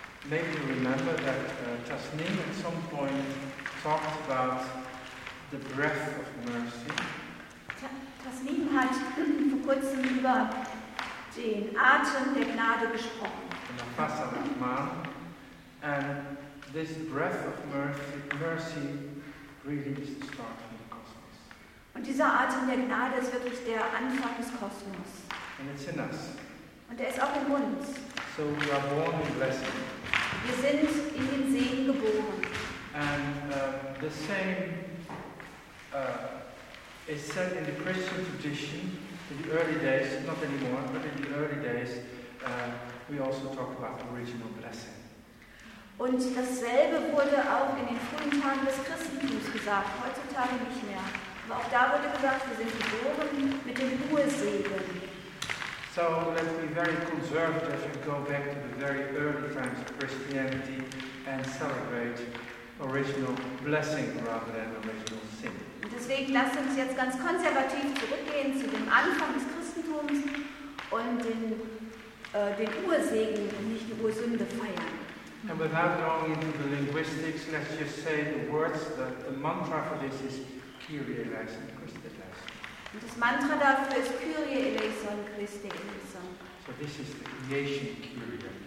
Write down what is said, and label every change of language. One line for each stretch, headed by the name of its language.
English: Maybe you remember that Tasnim at some point talked about the breath of mercy.
German: Tasnim hat vor kurzem über den Atem der Gnade gesprochen.
English: In the Fasad Rahman. And this breath of mercy really is the start of the cosmos.
German: Und dieser Atem der Gnade ist wirklich der Anfang des Kosmos.
English: And it's in us.
German: Und er ist auch in uns.
English: So we are born in blessing.
German: Wir sind in den Segen geboren.
English: And the same is said in the Christian tradition in the early days, not anymore, but in the early days, we also talk about original blessing.
German: Und dasselbe wurde auch in den frühen Tagen des Christentums gesagt, heutzutage nicht mehr. Aber auch da wurde gesagt, wir sind geboren mit dem Ursegen.
English: So let's be very conservative and go back to the very early times of Christianity and celebrate original blessing rather than original sin.
German: Deswegen lasst uns jetzt ganz konservativ zurückgehen zu dem Anfang des Christentums und den Ursegen und nicht die Ursünde feiern.
English: And without going into the linguistics, let's just say the words that the mantra for this is Kyrie eleison Christe eleison.
German: Und das Mantra dafür ist Kyrie eleison Christe eleison.
English: So this is the creation Kyrie.